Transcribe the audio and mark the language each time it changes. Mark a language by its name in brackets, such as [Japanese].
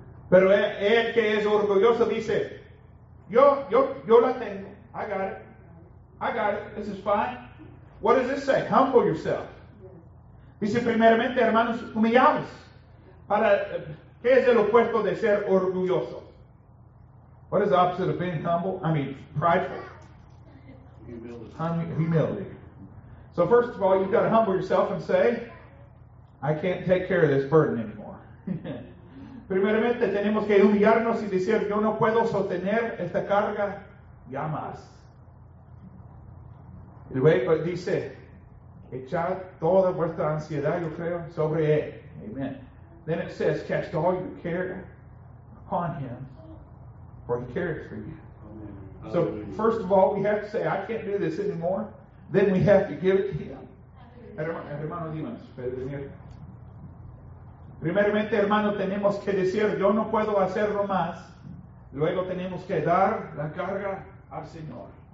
[Spanish] Pero él que es orgulloso dice, yo la tengo. [English] I got it. This is fine. What does this say? Humble yourself. [Spanish] Dice primeramente, hermanos, humillaos. Para, ¿qué es el opuesto de ser orgulloso? [English] What is the opposite of being humble? I mean, prideful. Humility. So first of all, you've got to humble yourself and say, I can't take care of this burden anymore. [Spanish] Primeramente, tenemos que humillarnos y decir, yo no puedo sostener esta carga ya más. Y luego dice, echad toda vuestra ansiedad, yo creo, sobre él. Amen. [English] Then it says, cast all your care upon him, for he cares for you. Amen. So first of all, we have to say, I can't do this anymore. Then we have to give it to Him. [Spanish] Hermano, dímanos. Primeramente, hermano, tenemos que decir, yo no puedo hacerlo más. Luego tenemos que dar la carga al Señor.